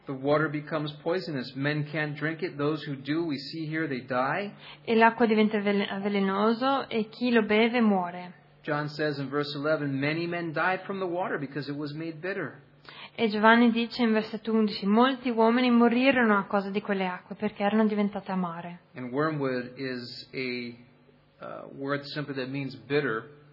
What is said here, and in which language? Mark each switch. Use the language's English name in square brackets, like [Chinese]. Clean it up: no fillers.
[English] The water becomes poisonous. Men can't drink it. Those who do, we see here, they die. [Italian] E l'acqua diventa velenoso e chi lo beve muore. [English] John says in verse 11, many men died from the water because it was made bitter. [Italian] E Giovanni dice in versetto 11, molti uomini morirono a causa di quelle acque perché erano diventate amare. [English] And wormwood is a word simply that means bitter.